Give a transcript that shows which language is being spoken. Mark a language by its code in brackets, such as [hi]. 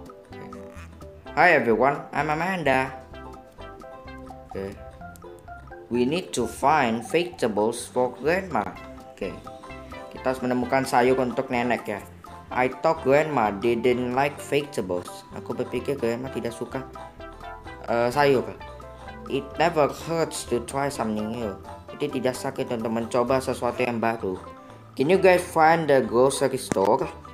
[en] Okay. Hi everyone, I'm Amanda. Okay. We need to find vegetables for grandma. Okay. [id] Kita harus menemukan sayur untuk nenek ya. [en] I thought grandma didn't like vegetables. [id] Aku berpikir grandma tidak suka sayur. [en] It never hurts to try something new. [id] Itu tidak sakit untuk mencoba sesuatu yang baru. [en] Can you guys find the grocery store?